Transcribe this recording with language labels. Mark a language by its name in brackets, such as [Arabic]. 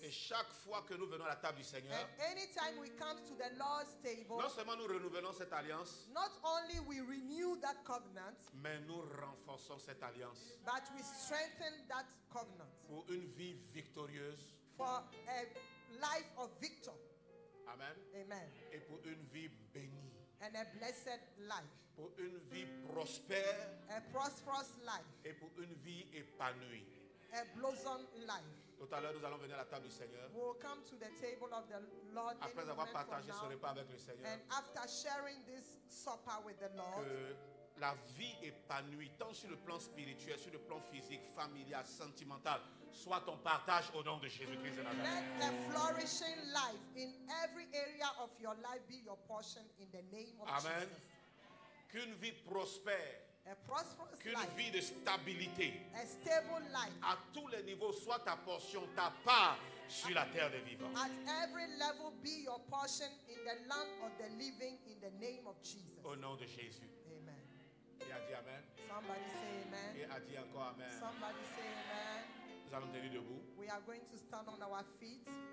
[French] Et chaque fois que nous venons à la table du Seigneur, [English] and anytime we come to the Lord's table, [French] non seulement nous renouvelons cette alliance, [English] not only we renew that covenant, [French] mais nous renforçons cette alliance, [English] but we strengthen that covenant, [French] pour une vie victorieuse, [English] for a life of victor, amen, amen, [French] et pour une vie bénie. [English] And a blessed life. [French] Pour une vie prospère. [English] A prosperous life. [French] Et pour une vie épanouie. [English] A blossom life. [French] Tout à l'heure, nous allons venir à la table du Seigneur. [English] We will come to the table of the Lord. [French] Après avoir partagé ce repas avec le Seigneur. [English] And after sharing this supper with the Lord. [French] Que la vie épanouie, tant sur le plan spirituel, sur le plan physique, familial, sentimental, soit ton partage au nom de Jésus-Christ de Nazareth. [English] Let the flourishing life in every area of your life be your portion in the name of amen. Jesus. [French] Qu'une vie prospère. [English] A prosperous [French] qu'une [English] life. [French] Vie de stabilité. [English] A stable life. [French] À tous les niveaux, soit ta portion, ta part sur la terre des vivants. [English] At every level be your portion in the land of the living in the name of Jesus. [French] Au nom de Jésus. [English] Amen. [French] Qui a dit amen? [English] Somebody say amen. [French] Qui a dit encore amen? [English] Somebody say amen. [French] Nous allons tenir debout. [English] We are going to stand on our feet.